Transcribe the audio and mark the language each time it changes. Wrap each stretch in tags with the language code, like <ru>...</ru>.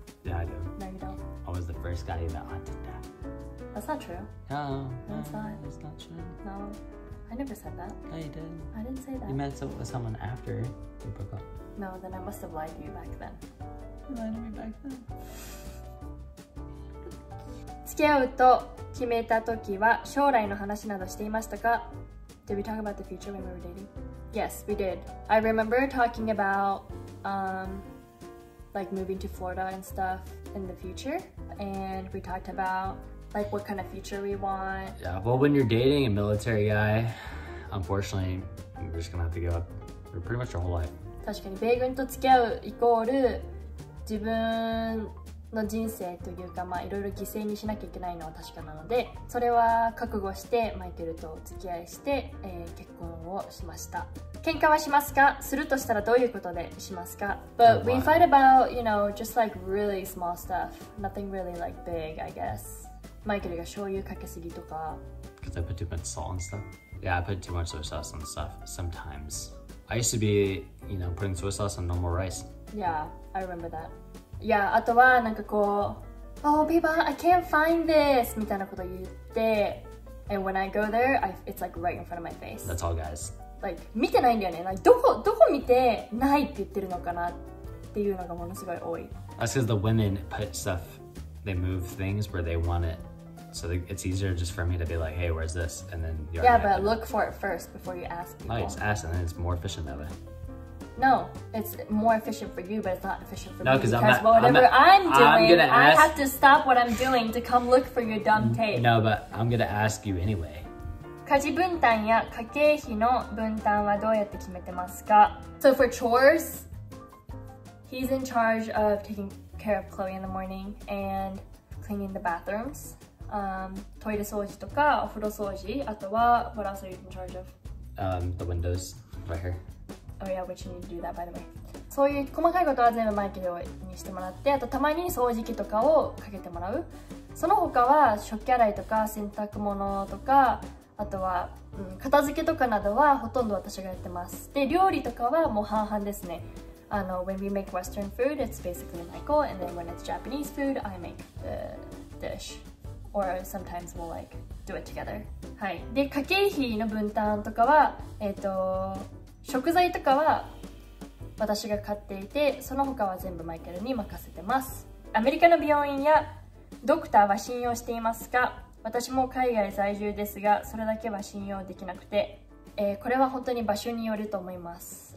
<en>Yeah, I do. No, you don't. I was the first guy you met on Tinder. That's not true. No, that's not true. No, I never said that. No, you did. I didn't say that. You met with someone after you broke up. No, then I must have lied to you back then. You lied to me back then.</en> <ja>付き合うと決めた時は将来の話などしていましたか?</ja> <en>Did we talk about the future when we were dating? Yes, we did. I remember talking about like moving to Florida and stuff in the future. And we talked about like what kind of future we want. Yeah, well when you're dating a military guy, unfortunately, you're just gonna have to give up pretty much your whole life.</en> <ja>確かに米軍と付き合うイコール自分の人生というか、まあ、いろいろ犠牲にしなきゃいけないのは確かなので、それは覚悟してマイケルと付き合いして、結婚をしました。喧嘩はしますか? するとしたらどういうことでしますか?</ja> <en>But we fight about, you know, just like really small stuff. Nothing really like big, I guess.</en> <ja>マイケルが醤油かけすぎとか。</ja> <en>Because I put too much salt on stuff. Yeah, I put too much soy sauce on stuff sometimes. I used to be, you know, putting soy sauce on normal rice. Yeah, I remember that.</en> <ja>いや、あとはなんかこう</ja> <en>Oh, people, I can't find this!</en> <ja>みたいなこと言って</ja> <en>And when I go there, it's like right in front of my face. That's all, guys.</en> <ja>Like, 見てないんだよね。 Like, どこ見てないって言ってるのかなっていうのがものすごい多い。</ja> <en>That's because the women put stuff, they move things where they want it. So they, it's easier just for me to be like, hey, where's this? And then you're Yeah, but look for it first before you ask people. Nice, ask, and then it's more efficient that way. No, it's more efficient for you, but it's not efficient for no, me. No, because I'm not, whatever I'm doing, gonna I have to stop what I'm doing to come look for your dumb tape. No, but I'm going to ask you anyway.</en> <ja>家事分担や家計費の分担はどうやって決めてますか?</ja> <en>So for chores, he's in charge of taking care of Chloe in the morning and cleaning the bathrooms.</en> <ja>トイレ掃除とかお風呂掃除、あとは</ja> <en>what else are you in charge of? The windows right here. Oh yeah, which you need to do that, by the way.</en> <ja>そういう細かいことは全部マイケルにしてもらって、あとたまに掃除機とかをかけてもらう。その他は食器洗いとか洗濯物とか、あとは、うん、片付けとかなどはほとんど私がやってます。で、料理とかはもう半々ですね。</ja> <en>When we make Western food, it's basically Michael, and then when it's Japanese food, I make the dish. Or sometimes we'll like do it together. はい。</en> <ja>で、家計費の分担とかは、食材とかは私が買っていて、その他は全部マイケルに任せてます。アメリカの病院やドクターは信用していますか? 私も海外在住ですが、それだけは信用できなくて、これは本当に場所によると思います。</ja>